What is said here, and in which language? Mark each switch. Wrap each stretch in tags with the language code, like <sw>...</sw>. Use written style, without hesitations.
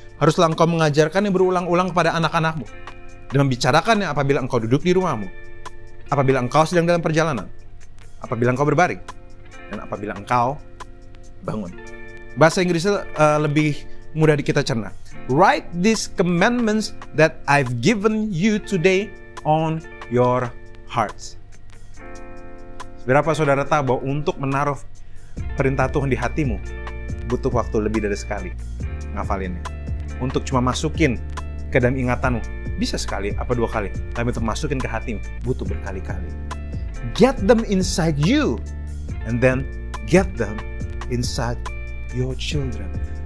<id>Haruslah engkau mengajarkan yang berulang-ulang kepada anak-anakmu dan membicarakannya apabila engkau duduk di rumahmu. apabila engkau sedang dalam perjalanan, apabila engkau berbaring, dan apabila engkau bangun. Bahasa Inggrisnya lebih mudah kita cerna.</id> <en>Write these commandments that I've given you today on your hearts.</en> <id>Berapa saudara tahu bahwa untuk menaruh perintah Tuhan di hatimu butuh waktu lebih dari sekali ngafalinnya. Untuk cuma masukin ke dalam ingatanmu bisa sekali apa dua kali, tapi untuk masukin ke hatimu butuh berkali-kali.</id> <en>Get them inside you and then get them inside your children.</en>